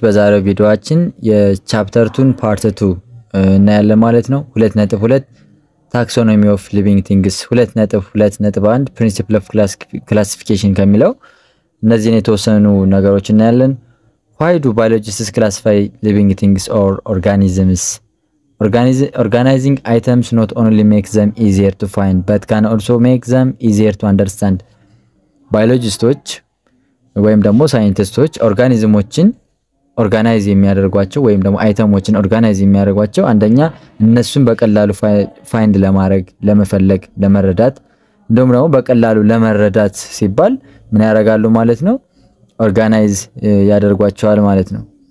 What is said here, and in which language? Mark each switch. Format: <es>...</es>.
<am>በዛሬው ቪዲዮአችን የቻፕተር 2 ፓርት 2 እና ያለ ማለት ነው 2.2 ታክሶኖሚ ኦፍ ሊቪንግ ቲንግስ 2.2.1 ፕሪንሲፕል ኦፍ ክላሲፊኬሽን ከሚለው እነዚህን የተወሰኑ ነገሮች እና ያለን</am> <en>why do biologists classify living things or organisms? Organizing items not only makes them easier to find but can also make them easier to understand.</en> <am>Biologists ወይም ደግሞ ሳይንቲስቶች ኦርጋኒዝሞችን ኦርጋናይዝ የሚያደርጓቸው ወይም ደግሞ አይተሞችን ኦርጋናይዝ የሚያደርጓቸው አንደኛ እነሱን በቀላሉ ፋይንድ ለማድረግ ለመፈለግ ለመረዳት እንደውም ደግሞ በቀላሉ ለመረዳት ሲባል ምን ያረጋሉ ማለት ነው ኦርጋናይዝ ያደርጓቸዋል ማለት ነው</am>